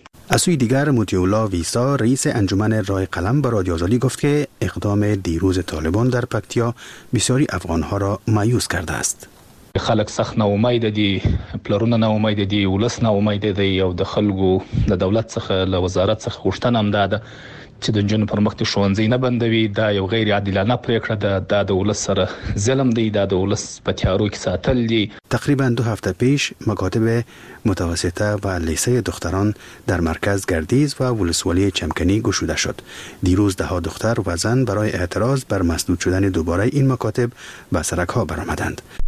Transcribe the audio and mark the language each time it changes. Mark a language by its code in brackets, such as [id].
[fa] از سوی دیگر متیولا ویسا رئیس انجمن رای قلم به رادیو آزادی گفت که اقدام دیروز طالبان در پکتیا بسیاری افغانها را مایوس کرده است. [ps] خلق سخت ناومید دی، پلارونه ناومید دی، ولس ناومید دی او د خلکو د دولت څخه له وزارت څخه خوشتنه هم ده چې د نجونو پر مخ ښوونځی نه بندوي. دا یو غیر عادلانه پریکړه ده. دا د ولس سره ظلم دی. دا د ولس په تیارو کې ساتل دي. [fa] تقریبا دو هفته پیش مکاتب متوسطه و لیسه دختران در مرکز گردیز و ولسوالی چمکنی گشوده شد. دیروز ده ها دختر و زن برای اعتراض بر مسدود شدن دوباره این مکاتب به سرک ها برآمدند.